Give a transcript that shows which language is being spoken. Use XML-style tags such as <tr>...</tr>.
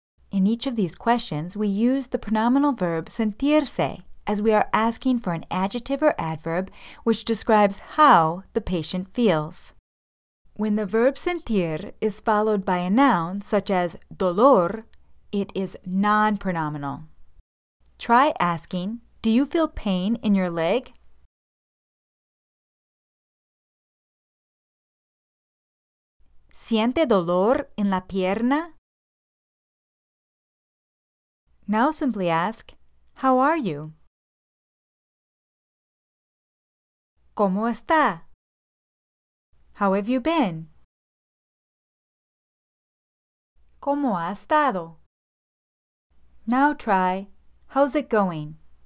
<en>In each of these questions, we use the pronominal verb sentirse, as we are asking for an adjective or adverb which describes how the patient feels. When the verb sentir is followed by a noun such as dolor, it is non-pronominal. Try asking, do you feel pain in your leg?</en> <es>¿Siente dolor en la pierna?</es> <en>Now simply ask, how are you?</en> <es>¿Cómo está?</es> <en>How have you been?</en> <es>¿Cómo ha estado?</es> <en>Now try, how's it going?</en>